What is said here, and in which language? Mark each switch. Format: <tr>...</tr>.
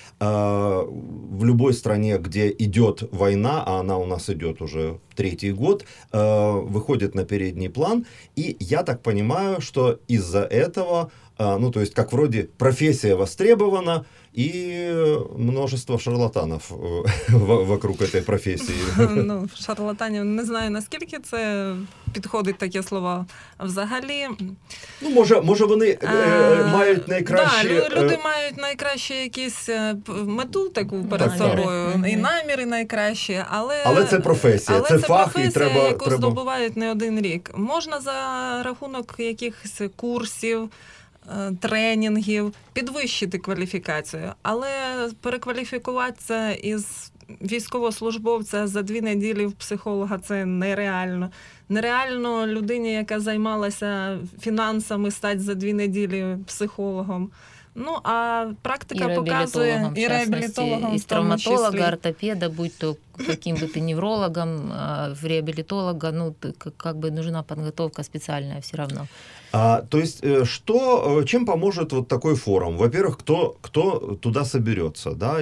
<ru>В любой стране, где идет война, а она у нас идет уже третий год, выходит на передний план. И я так понимаю, что из-за этого, ну то есть как вроде профессия востребована, и множество шарлатанов вокруг этой профессии.</ru> <uk>Ну, шарлатанів, не знаю, наскільки це підходить таке слово взагалі. Ну, може вони мають найкраще... Так, люди мають найкраще якісь мету таку перед собою, і наміри найкращі, але... Але це професія, це фах, і треба... Але це професія, яку здобувають не один рік. Можна за рахунок якихось курсів, тренінгів, підвищити кваліфікацію. Але перекваліфікуватися із військовослужбовця за 2 неділі в психолога – це нереально. Нереально людині, яка займалася фінансами, стати за 2 неділі психологом. Ну, а практика показує... І реабілітологом, в частності, і травматолога, ортопеда, будь-то каким би ти неврологом, в реабілітолога, ну, как би нужна підготовка спеціальна</uk> <ru>все равно. То есть, что, чем поможет вот такой форум? Во-первых, кто туда соберется, да?</ru>